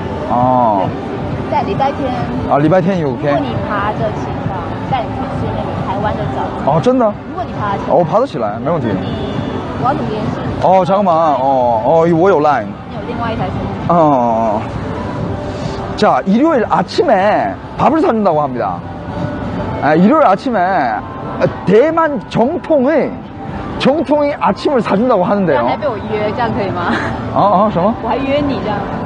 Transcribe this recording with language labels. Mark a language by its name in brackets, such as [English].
[Chinese] 哦，在礼拜天啊，礼拜天有。如果你爬得起床，带你去吃那个台湾的早餐。哦，真的？如果你爬得起来，没问题。我要怎么联系？哦， [Korean] 잠깐만， [Chinese] 我有 line。你有另外一台手机？ [Korean] 자, 일요일 아침에 밥을 사준다고 합니다. 일요일 아침에 대만 정통의 아침을 사준다고 하는데요. [Chinese] 还被我约，这样可以吗？啊啊，什么？我还约你这样。